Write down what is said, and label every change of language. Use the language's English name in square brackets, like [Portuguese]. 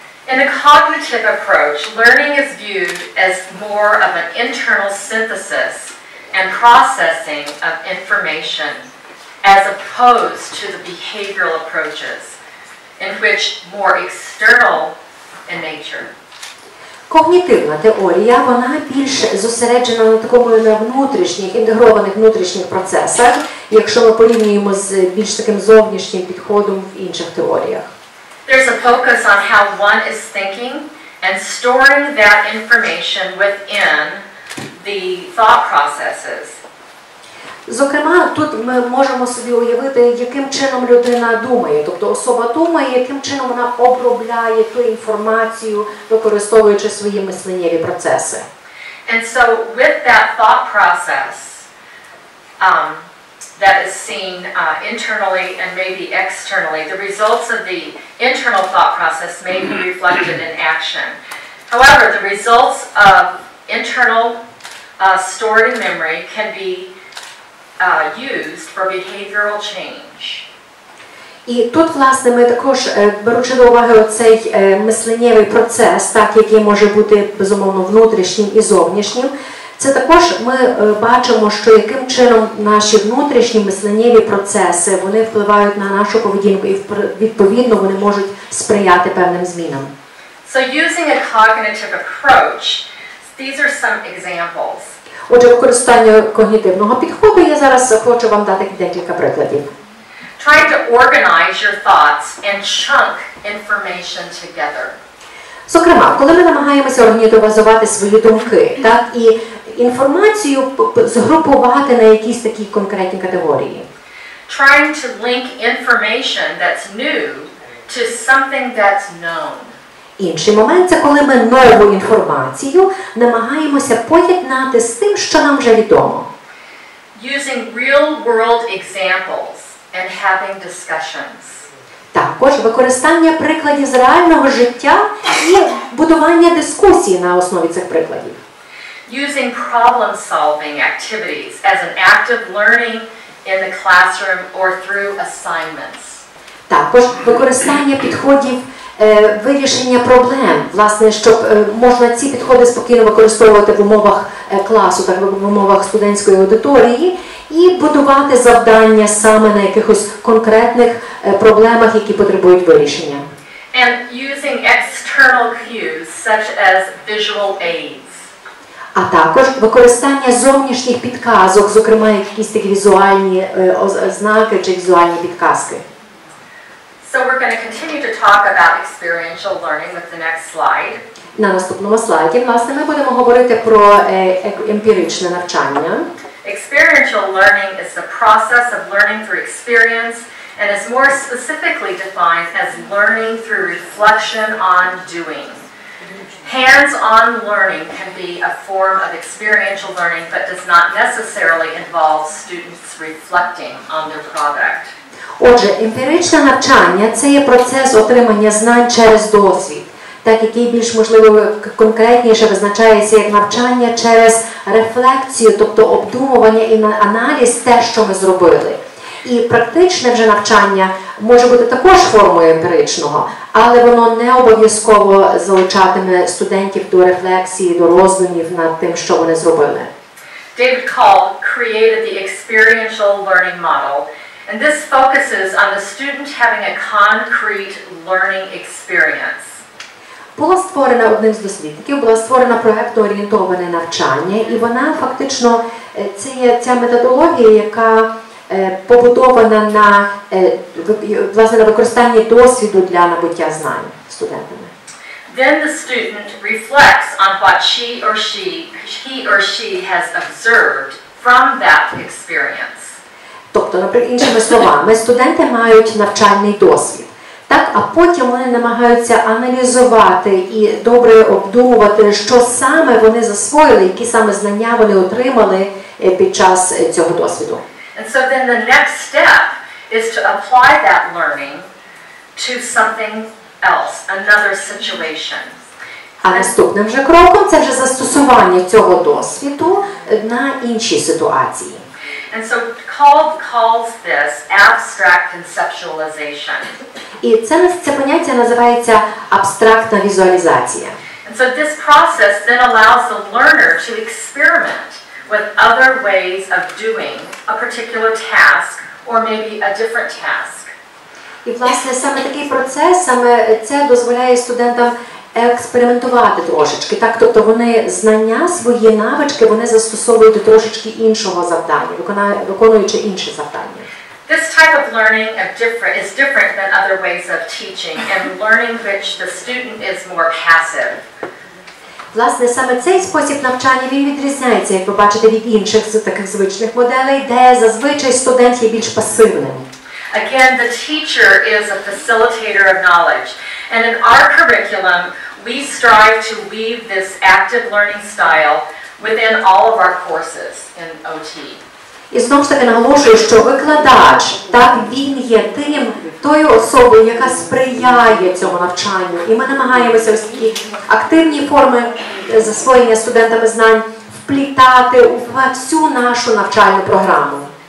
[English] In a cognitive approach, learning is viewed as more of an internal synthesis and processing of information as opposed to the behavioral approaches in which more external in nature. [Ukrainian] Когнітивна теорія, вона більш зосереджена на такому на внутрішніх, інтегрованих внутрішніх процесах, якщо ми порівнюємо з більш таким зовнішнім підходом в інших теоріях. [English] There's a focus on how one is thinking and storing that information within the thought processes. [Ukrainian] Зокрема, тут ми можемо собі уявити, яким чином людина думає. Тобто особа думає, яким чином вона обробляє ту інформацію, використовуючи свої мисленнєві процеси. [English] And so with that thought process that is seen internally and maybe externally, the results of the internal thought process may be reflected in action. However, the results of internal stored in memory can be used for behavioral change. [Ukrainian] І тут, власне, ми також, беручи до уваги оцей мисленнєвий процес, так, який може бути, безумовно, внутрішнім і зовнішнім, це також ми бачимо, що яким чином наші внутрішні мисленнєві процеси, вони впливають на нашу поведінку і відповідно вони можуть сприяти певним змінам. [English] So using a cognitive approach, these are some examples. [Ukrainian] Отже, використання когнітивного підходу, я зараз хочу вам дати декілька прикладів. [English] Try to organize your thoughts and chunk information together. [Ukrainian] Зокрема, коли ми намагаємося організувати свої думки, так, і інформацію згрупувати на якісь такі конкретні категорії. [English] Trying to link information that's new to something that's known. [Ukrainian] Інший момент – це коли ми нову інформацію намагаємося поєднати з тим, що нам вже відомо. [English] Using real-world examples and having discussions. [Ukrainian] Також використання прикладів з реального життя і будування дискусії на основі цих прикладів. [English] Using problem-solving activities as an active learning in the classroom or through assignments. [Ukrainian] Також використання підходів вирішення проблем, власне, щоб можна ці підходи спокійно використовувати в умовах класу, так, в умовах студентської аудиторії, і будувати завдання саме на якихось конкретних проблемах, які потребують вирішення. [English] And using external cues, such as visual aids. [Ukrainian] А також використання зовнішніх підказок, зокрема, якісь такі візуальні ознаки чи візуальні підказки. [English] So we're going to continue to talk about experiential learning with the next slide. [Ukrainian] На наступному слайді, власне, ми будемо говорити про емпіричне навчання. [English] Experiential learning is the process of learning through experience and is more specifically defined as learning through reflection on doing. Hands-on learning can be a form of experiential learning but does not necessarily involve students reflecting on their product. [Ukrainian] Отже, емпіричне навчання – це є процес отримання знань через досвід, так, який більш, можливо, конкретніше визначається як навчання через рефлексію, тобто обдумування і аналіз те, що ми зробили. І практичне вже навчання може бути також формою емпіричного, але воно не обов'язково залучатиме студентів до рефлексії, до роздумів над тим, що вони зробили. [English] David Call created the experiential learning model. And this focuses on the student having a concrete learning experience. [Ukrainian] Була створена одним з дослідників, була створена проєктно-орієнтоване навчання, і вона фактично, це є ця методологія, яка побудована на, власне, на використанні досвіду для набуття знань студентами. [English] Then the student reflects on what she or she, he or she has observed from that experience. [Ukrainian] Тобто, наприклад, іншими словами, студенти мають навчальний досвід, так? А потім вони намагаються аналізувати і добре обдумувати, що саме вони засвоїли, які саме знання вони отримали під час цього досвіду. [English] And so then the next step is to apply that learning to something else, another situation. [Ukrainian] А наступним вже кроком – це вже застосування цього досвіду на іншій ситуації. [English] And so calls this abstract conceptualization. [Ukrainian] І це поняття називається абстрактна візуалізація. [English] And so this process then allows the learner to experiment with other ways of doing a particular task or maybe a different task. [Ukrainian] І власне саме такий процес, саме це дозволяє студентам експериментувати трошечки, так? Тобто вони знання, свої навички, вони застосовують трошечки іншого завдання, виконуючи інше завдання. [English] This type of learning is different than other ways of teaching and learning which the student is more passive. [Ukrainian] Власне, саме цей спосіб навчання, він відрізняється, як ви бачите, від інших таких звичних моделей, де зазвичай студент є більш пасивним. [English] Again, the teacher is a facilitator of knowledge. And in our curriculum, we strive to weave this active learning style within all of our courses in OT. [Ukrainian] І знову ж таки наголошую, що викладач, так, він є тим, тою особою, яка сприяє цьому навчанню. І ми намагаємося в такі активні форми засвоєння студентами знань вплітати у всю нашу навчальну програму.